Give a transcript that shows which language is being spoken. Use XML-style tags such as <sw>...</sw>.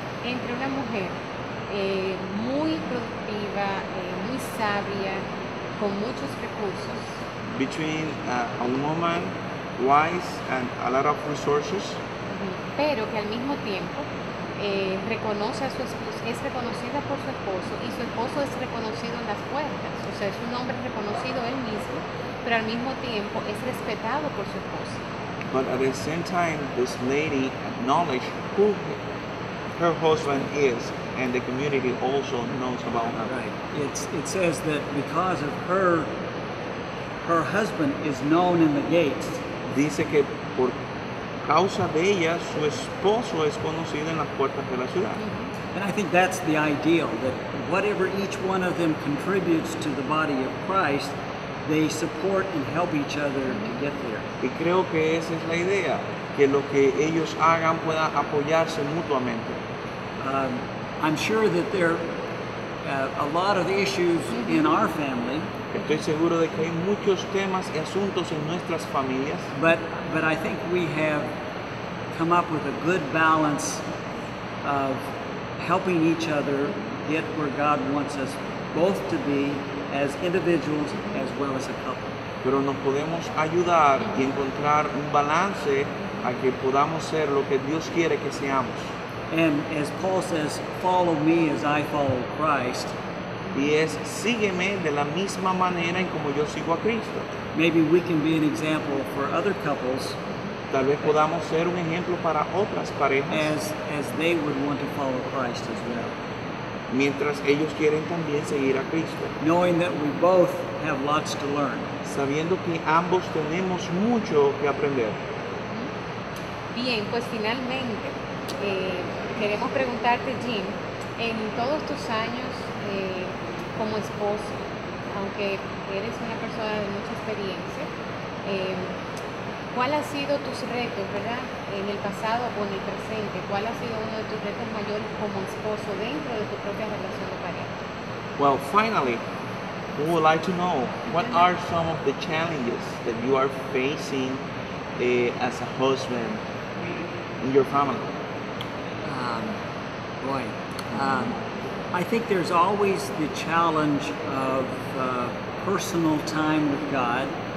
<es>Entre una mujer muy productiva, muy sabia, con muchos recursos.</es> <en>Between a woman wise and a lot of resources.</en> <es>Pero que al mismo tiempo reconoce a su esposo, es reconocida por su esposo y su esposo es reconocido en las puertas. O sea, es un hombre reconocido él mismo, pero al mismo tiempo es respetado por su esposo.</es> <en>But at the same time, this lady acknowledged who her husband is, and the community also knows about her. Right. It says that because of her, her husband is known in the gates.</en> <es>Dice que por causa de ella, su esposo es conocido en las puertas de la ciudad.</es> <en>And I think that's the ideal, that whatever each one of them contributes to the body of Christ, they support and help each other to get there.</en> <es>Y creo que esa es la idea, que lo que ellos hagan pueda apoyarse mutuamente.</es> <en>I'm sure that there are a lot of issues in our family.</en> <es>Estoy seguro de que hay muchos temas y asuntos en nuestras familias.</es> <en>But I think we have come up with a good balance of helping each other get where God wants us both to be as individuals as well as a couple.</en> <es>Pero nos podemos ayudar y encontrar un balance a que podamos ser lo que Dios quiere que seamos.</es> <en>And as Paul says, follow me as I follow Christ.</en> <es>Y es, sígueme de la misma manera en como yo sigo a Cristo.</es> <en>Maybe we can be an example for other couples</en> <es>tal vez podamos ser un ejemplo para otras parejas.</es> <en>As they would want to follow Christ as well.</en> <es>Mientras ellos quieren también seguir a Cristo.</es> <en>Knowing that we both have lots to learn.</en> <es>Sabiendo que ambos tenemos mucho que aprender. Bien, pues finalmente, queremos preguntarte, Jim, en todos tus años como esposo, aunque eres una persona de mucha experiencia, ¿cuál ha sido tus retos, verdad? En el pasado o en el presente, ¿cuál ha sido uno de tus retos mayores como esposo dentro de tu propia relación de pareja?</es> <en>Well, finally, we would like to know, what are some of the challenges that you are facing as a husband in your family? I think there's always the challenge of personal time with God.</en>